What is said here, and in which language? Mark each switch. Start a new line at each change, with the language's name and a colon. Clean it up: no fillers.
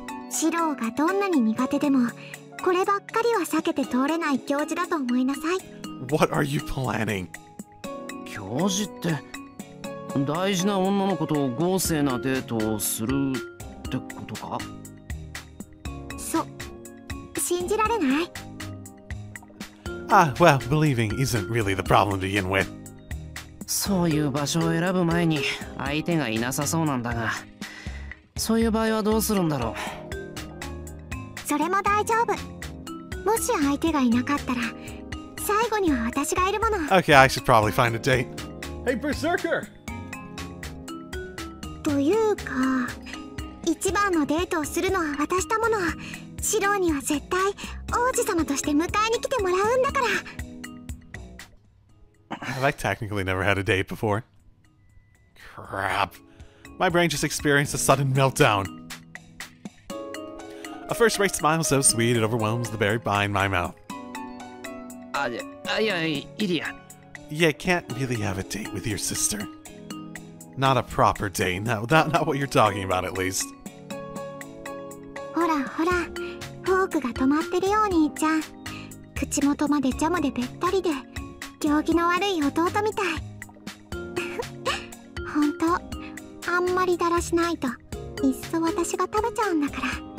Japanese: シロがどんなに苦手でもこればっかりは避けて通れない行事だと思いなさい。
English: What are you planning?
Japanese: 行事って大事な女の子と豪勢なデートをするってことか？そ、信じられない。
English: Ah, well, believing isn't really the problem to begin with.
Japanese: そういう場所を選ぶ前に相手がいなさそうなんだが、そういう場合はどうするんだろう？それも大丈夫。もし相手がいなかったら、最後には私がいるもの。
English: Okay, I should probably find a date. Hey, Berserker!
Japanese: というか、一番のデートをするのは私だもの。シローには絶対王子様として迎えに来てもらうんだから。
English: Have I technically never had a date before? Crap. My brain just experienced a sudden meltdown. A first rate smile so sweet it overwhelms the berry pie in my mouth. Illya. You can't really have a date with your sister. Not a proper date. No, not what you're talking about, at least.
Japanese: ほらほら。フォークが止まってるよ、お兄ちゃん。口元までジャムでべったりで、行儀の悪い弟みたい。本当、あんまりだらしないと、いっそ私が食べちゃうんだから。